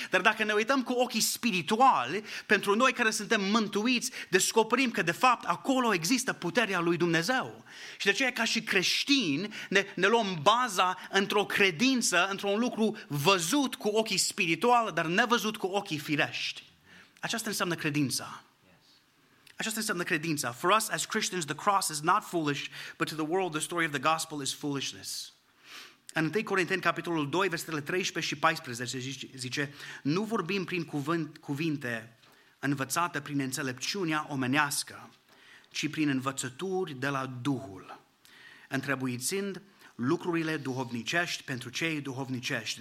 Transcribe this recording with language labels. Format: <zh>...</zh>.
<ro>Dar dacă ne uităm cu ochii spirituali, pentru noi care suntem mântuiți, descoperim că, de fapt, acolo există puterea lui Dumnezeu. Și de aceea, ca și creștini, ne luăm baza într-o credință, într-un lucru văzut cu ochii spirituali, dar nevăzut cu ochii firești. Aceasta înseamnă credința. Aceasta înseamnă credința.</ro> <en>For us as Christians, the cross is not foolish, but to the world, the story of the gospel is foolishness.</en> <ro>În 1 Corinteni, capitolul 2, versetele 13 și 14, zice: nu vorbim prin cuvinte învățate prin înțelepciunea omenească, ci prin învățături de la Duhul, întrebuițind lucrurile duhovnicești pentru cei duhovnicești.</ro>